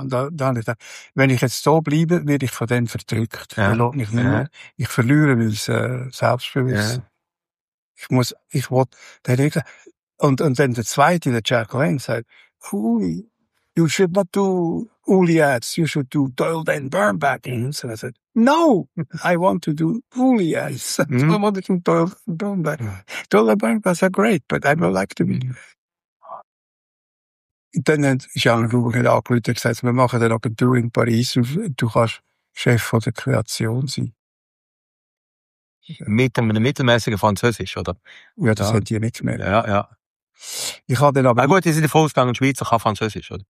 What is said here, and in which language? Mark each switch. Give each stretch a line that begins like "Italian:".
German: Und da habe ich gedacht, wenn ich jetzt so bleibe, werde ich von denen verdrückt. Ja. Der lohnt mich nicht mehr. Ja. Ich verliere, weil es selbstbewusst. Ja. Der hat gesagt, Und dann der zweite, der Jack Lane, sagt,
English: Uli, you should not do Uli ads, you should do Doyle Van Birnbach. Mm-hmm. And I said, no, I want to do Uli ads. Mm-hmm. I want to do Doyle Van Birnbach. Mm-hmm. Doyle Van Birnbach are great, but I would like to be. Mm-hmm.
German: Dann hat Jean Rouge angerufen und gesagt, wir machen eine Agentur in Paris und du kannst Chef von der Kreation sein. Mit einem mittelmäßigen Französisch, oder? Ja, das haben die nicht gemerkt. Ja. Ich habe dann aber... Na gut, die sind voll ausgegangen, Schweizer kann Französisch, oder?